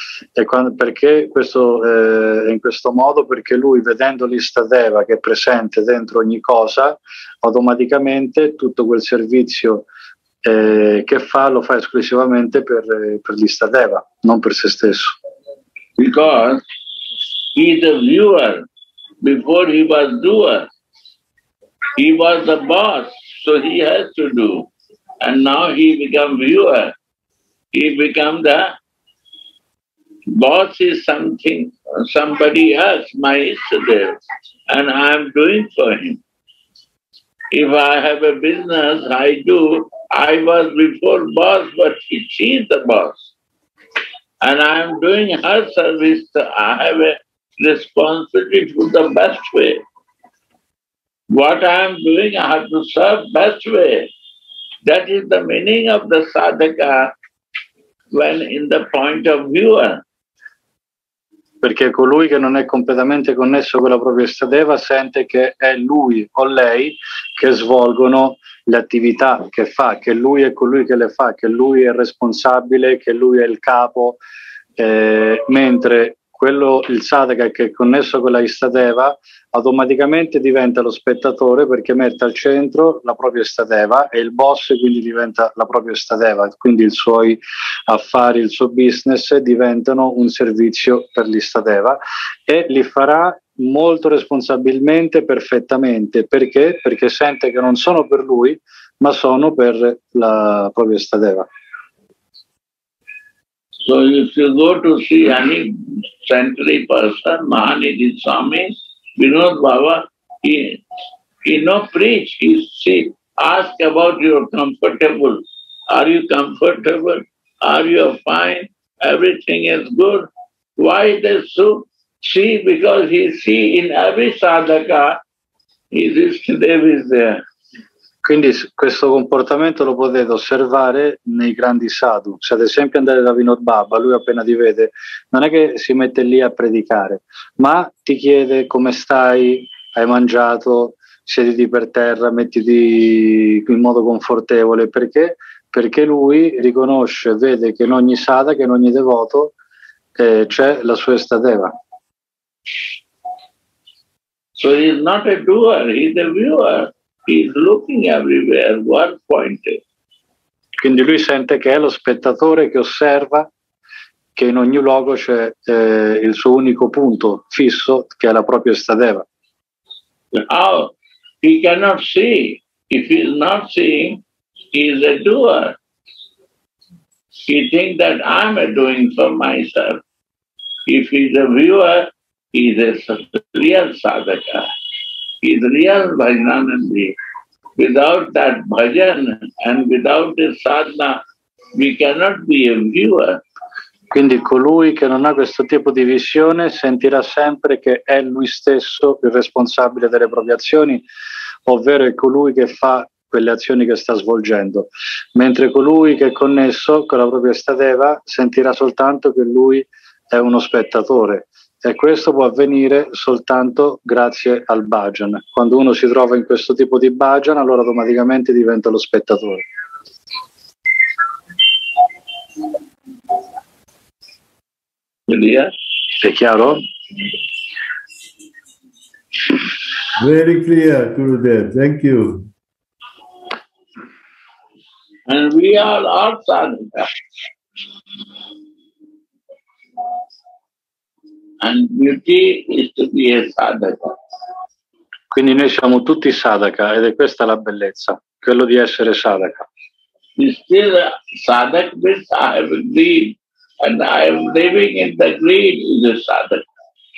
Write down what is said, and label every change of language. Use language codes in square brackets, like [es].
[it] E quando, perché questo, in questo modo? Perché lui, vedendo l'Ishtadeva che è presente dentro ogni cosa, automaticamente tutto quel servizio che fa, lo fa esclusivamente per l'Ishtadeva, non per se stesso. [en] Because he the viewer, before he was doer, he was the boss, so he has to do. And now he become viewer, he become the boss is something, somebody else, my Ishtadeva, and I am doing for him. If I have a business, I do. I was before boss, but she is the boss. And I am doing her service. So I have a responsibility to the best way. What I am doing, I have to serve best way. That is the meaning of the sadhaka when in the point of viewer. [it] Perché colui che non è completamente connesso con la propria Ishtadeva sente che è lui o lei che svolgono le attività che fa, che lui è colui che le fa, che lui è responsabile, che lui è il capo, mentre quello, il sadhaka che è connesso con la Ishtadeva automaticamente diventa lo spettatore perché mette al centro la propria Ishtadeva e il boss quindi diventa la propria Ishtadeva, quindi i suoi affari, il suo business diventano un servizio per l'Ishtadeva e li farà molto responsabilmente, perfettamente. Perché? Perché sente che non sono per lui, ma sono per la propria Ishtadeva. [en] So if you go to see any saintly person, Mahanidhi Swami, Vinod Baba, he no preach, he see, ask about your comfortable. Are you comfortable? Are you fine? Everything is good. Why they so? See, because he see in every sadhaka, his Ishtadev is there. [it] Quindi questo comportamento lo potete osservare nei grandi sadhu. Se ad esempio andate da Vinod Baba, lui appena ti vede, non è che si mette lì a predicare, ma ti chiede come stai, hai mangiato, siediti per terra, mettiti in modo confortevole. Perché? Perché lui riconosce, vede che in ogni sadhaka, che in ogni devoto c'è la sua Ishtadeva. [en] So he's not a doer, he's a viewer. He's looking everywhere, one point. Quindi lui sente che è lo spettatore che osserva che in ogni luogo c'è il suo unico punto fisso che è la propria Ishtadeva. How? He cannot see. If he's not seeing, he's a doer. He thinks that I'm a doing for myself. If he's a viewer, he's a real sadhaka. Is real Bhajanandi. Without that bhajan and without this sadhana, we cannot be a viewer. [it] Quindi colui che non ha questo tipo di visione sentirà sempre che è lui stesso il responsabile delle proprie azioni, ovvero è colui che fa quelle azioni che sta svolgendo, mentre colui che è connesso con la propria stadeva sentirà soltanto che lui è uno spettatore. E questo può avvenire soltanto grazie al bhajan. Quando uno si trova in questo tipo di bhajan, allora automaticamente diventa lo spettatore. [en] Clear. [it] È chiaro? [en] Very clear, Gurudev. Thank you. And we are our sadhaka. And beauty is to be a sadhaka. [it] Quindi noi siamo tutti sadhaka ed è questa la bellezza, quello di essere sadhaka. [en] Still sadhaka means I have a dream. And I am living in the green is a sadhaka.